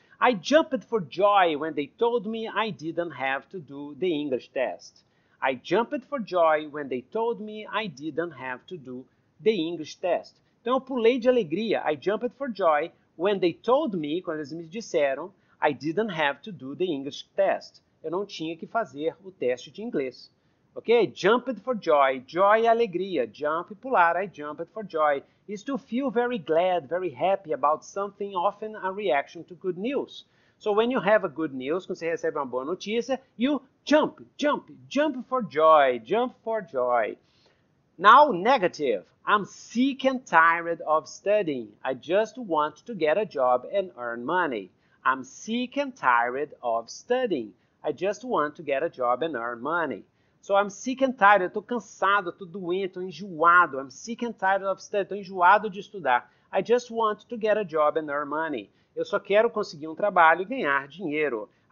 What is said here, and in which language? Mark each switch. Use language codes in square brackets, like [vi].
[en] I jumped for joy when they told me I didn't have to do the English test. I jumped for joy when they told me I didn't have to do the English test. [pt] Então, eu pulei de alegria. [en] I jumped for joy when they told me, [pt] quando eles me disseram, [en] I didn't have to do the English test. [pt] Eu não tinha que fazer o teste de inglês. [en] Ok? Jumped for joy. Joy é alegria. Jump, pular. I jumped for joy. Is to feel very glad, very happy about something, often a reaction to good news. So when you have a good news, [pt] quando você recebe uma boa notícia, [en] you jump, jump, jump for joy, jump for joy. Now, negative. I'm sick and tired of studying. I just want to get a job and earn money. I'm sick and tired of studying. I just want to get a job and earn money. So I'm sick and tired, [pt] eu estou cansado, estou doente, estou enjoado. [en] I'm sick and tired of studying, [pt] estou enjoado de estudar. [en] I just want to get a job and earn money. [pt] Eu só quero conseguir um trabalho e ganhar dinheiro.